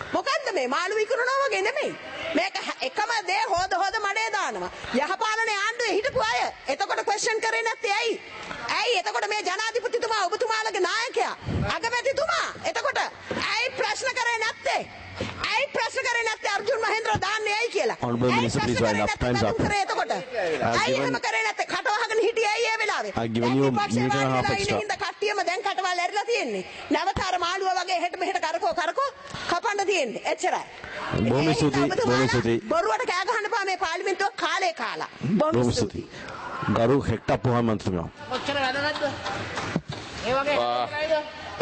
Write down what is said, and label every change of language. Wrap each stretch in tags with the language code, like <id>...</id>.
<si>මොකන්ද මේ මාළු විකුණනවා වගේ නෙමෙයි. මේක එකම දේ හොද හොද මඩේ දානවා. යහපාලන ආණ්ඩුවේ හිටපු අය. එතකොට question කරේ නැත්තේ ඇයි? ඇයි එතකොට මේ ජනාධිපතිතුමා ඔබතුමාලගේ නායකයා අගමැතිතුමා එතකොට ඇයි ප්‍රශ්න කරේ නැත්තේ? ඇයි ප්‍රශ්න කරේ නැත්තේ අර්ජුන් මහේන්ද්‍ර දාන්නේ ඇයි කියලා?</si> <en>Honorable Minister please wind up. Time's up.</en> <si>එතකොට ඇයි එහෙම කරේ නැත්තේ? කට වහගෙන හිටියේ ඇයි ඒ වෙලාවේ?</si> <en>I give you minute and a half extra.</en> <si>ඉන්න කට්ටියම දැන් කටවල් ඇරිලා තියෙන්නේ. නැවත අර මාළුව වගේ හෙට මෙහෙට කරකෝ කපන්න තියෙන්නේ. එච්චරයි. බොමිසුති බොරුවට කෑ ගහන්නපා මේ පාර්ලිමේන්තුව කාලේ කාලා. බොමිසුති ගරු හෙක්ටා පොහ මන්ත්‍රීතුමා. ඔච්චර වැඩ නැද්ද? ඒ වගේ හෙට</si>